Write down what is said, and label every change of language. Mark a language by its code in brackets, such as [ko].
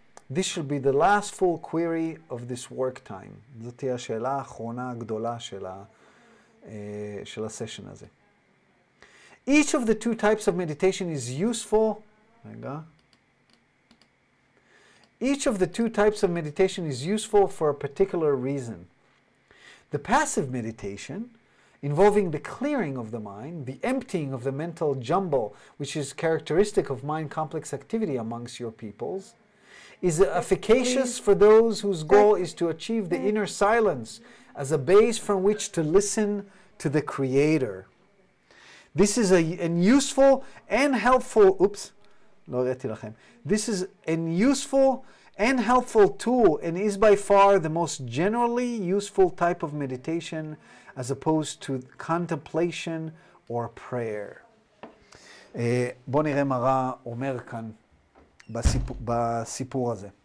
[en] This shall be the last full query of this work time. [he] זאת תהיה השאלה האחרונה הגדולה של של הסשן הזה. [en] Each of the two types of meditation is useful. [he] רגע. [en] Each of the two types of meditation is useful for a particular reason. The passive meditation, involving the clearing of the mind, the emptying of the mental jumble, which is characteristic of mind complex activity amongst your peoples, is efficacious for those whose goal is to achieve the inner silence as a base from which to listen to the Creator. This is an useful and helpful... Oops. [he] לא ראיתי לכם. [en] This is a useful and helpful tool and is by far the most generally useful type of meditation as opposed to contemplation or prayer. [he] בוא נראה מה רא אומר כאן בסיפור הזה.